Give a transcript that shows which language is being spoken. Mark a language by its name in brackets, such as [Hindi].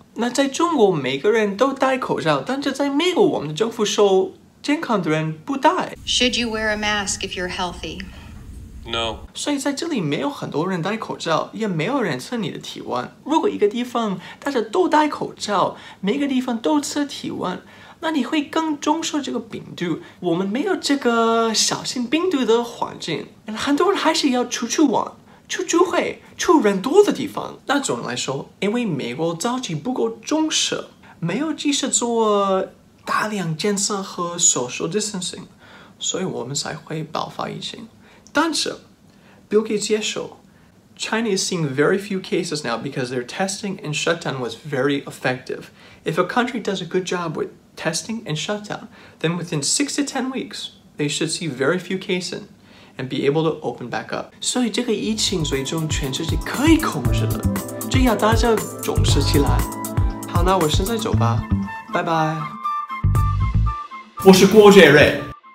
[Chinese] 那在中国，每个人都戴口罩，但是在美国，我们的政府说健康的人不戴。 [English] Should you wear a mask if you're healthy? No. [Chinese] 所以在这里没有很多人戴口罩，也没有人测你的体温。如果一个地方大家都戴口罩，每个地方都测体温，那你会更重视这个病毒。我们没有这个小心病毒的环境，很多人还是要出去玩。去聚会，去人多的地方。那总的来说，因为美国早期不够重视，没有及时做大量检测和 [English] social distancing， [Chinese] 所以我们才会爆发疫情。但是 [English] ，Bill Gates [Chinese] 也说 [English] ，China is seeing very few cases now because their testing and shutdown was very effective. If a country does a good job with testing and shutdown, then within 6 to 10 weeks, they should see very few cases. And be able to open back up. [Chinese] 所以这个疫情最终全世界可以控制了，只要大家重视起来。好，那我现在走吧，拜拜。我是郭杰瑞。